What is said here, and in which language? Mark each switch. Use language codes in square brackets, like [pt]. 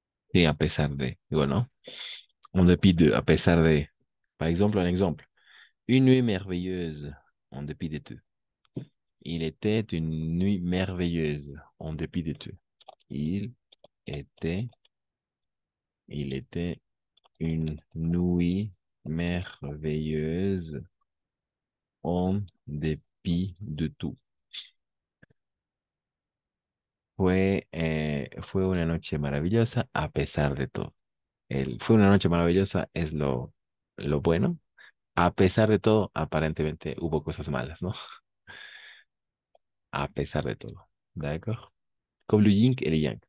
[es] Sí, a pesar de, digo, ¿no? [fr] En dépit de, [es] a pesar de, por ejemplo, un ejemplo. [fr] Une nuit merveilleuse, en dépit de tout. Il était une nuit merveilleuse, en dépit de tout. Il était une nuit merveilleuse, en dépit de tout. [es] Fue una noche maravillosa a pesar de todo. Fue una noche maravillosa es lo bueno. A pesar de todo, aparentemente hubo cosas malas, ¿no? A pesar de todo. ¿De acuerdo? Como lo yin y lo yang.